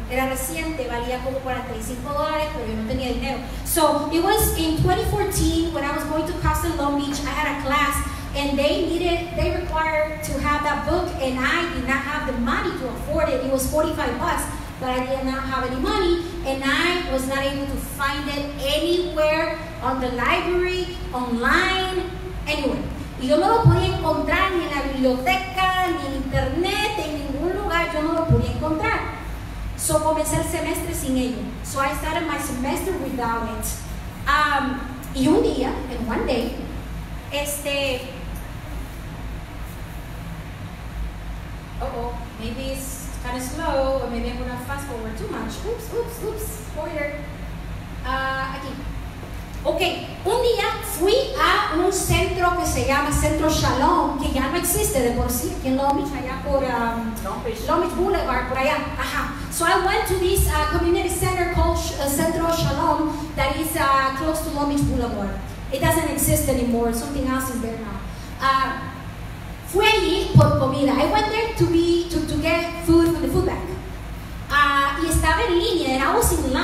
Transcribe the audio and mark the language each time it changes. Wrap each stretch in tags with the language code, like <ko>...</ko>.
<es>Era reciente, valía como $45, pero yo no tenía dinero.</es> <en>So it was in 2014 when I was going to Castle Long Beach. I had a class and they required to have that book, and I did not have the money to afford it. It was $45, but I did not have any money, and I was not able to find it anywhere, on the library, online, anywhere.</en> <es>Y yo no lo podía encontrar ni en la biblioteca, ni en internet, en ningún lugar. Yo no lo podía encontrar. So comencé el semestre sin ello.</es> <en>So I started my semester without it.</en> <es>Y un día,</es> <en>and one day, maybe it's kind of slow, or maybe I'm going to fast forward too much. Oops, spoiler. Aquí.</en> <es>Okay, un día fui a un centro que se llama Centro Shalom, que ya no existe de por sí, aquí en Long Beach, allá por Long Beach Boulevard, por allá. Ajá.</es> <en>So I went to this community center called Centro Shalom that is close to Long Beach Boulevard. It doesn't exist anymore, something else is there now.</en> <es>Fui allí por comida.</es> <en>I went there to get food from the food bank.</en> <es>Y estaba en línea,</es> <en>and I was in line.</en>